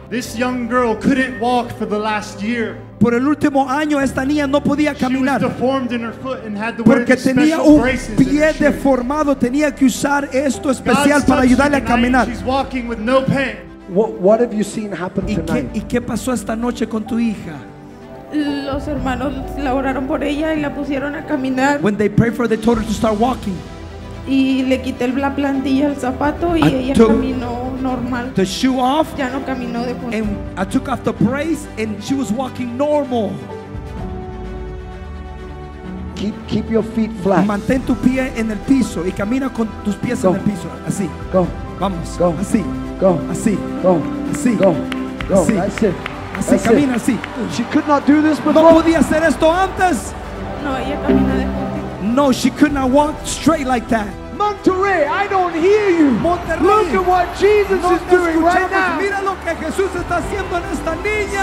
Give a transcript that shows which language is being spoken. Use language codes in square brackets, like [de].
[en] This young girl couldn't walk for the last year. [es] Por el último año esta niña no podía caminar. [en] She was deformed in her foot and had to wear [es] porque tenía un pie deformado, tenía que usar esto especial para ayudarle a caminar. [en] She's walking with no pain. What have you seen happen tonight? [es] ¿Y qué pasó esta noche con tu hija? Los hermanos la oraron por ella y la pusieron a caminar. [en] When they prayed for her, they told her to start walking. [es] Y le quité la plantilla al zapato y ella caminó normal. [en] The shoe off. [es] Ya no caminó de por. [en] And I took off the brace and she was walking normal. Keep your feet flat. [es] Mantén tu pie en el piso y camina con tus pies en el piso. Así. [en] Go. [es] Vamos. [en] Go. [es] Así. [en] Go. [es] Así. [en] Go. [es] Así. [en] Go. Go. [es] Así. [en] That's it. [es] Así, camina así. [en] She could not do this before. [es] No podía hacer esto antes. No, ella camina de puente. [en] No, she could not walk straight like that. Monterrey, I don't hear you. Monterrey, look at what Jesus is doing right now. [es] Mira lo que Jesús está haciendo en esta niña.